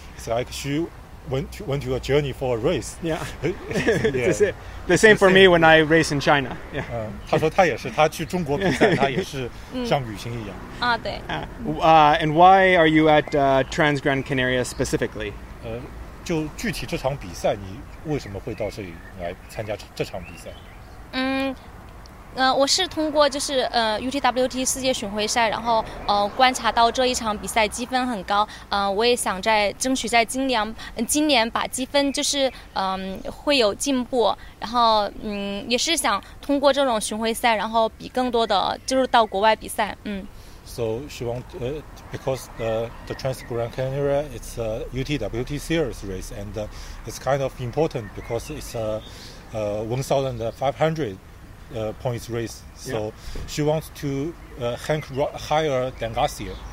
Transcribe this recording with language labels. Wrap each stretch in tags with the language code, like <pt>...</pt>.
<en>It's like she went to a journey for a race. Yeah. The same for me when I race in China. Yeah.</en> <zh>他说他也是，他去中国比赛，他也是像旅行一样。对。</zh> <en>And why are you at Transgrancanaria specifically?</en> <zh>就具体这场比赛，你为什么会到这里来参加这场比赛？我是通过UTWT 世界巡回赛，然后观察到这一场比赛积分很高，我也想争取在今年把积分会有进步，然后也是想通过这种巡回赛，然后比更多的就是到国外比赛。</zh> <en>So she want because the Transgrancanaria it's a UTWT series race and it's kind of important because it's a 1500. points race. So yeah. She wants to rank higher than last year.</en>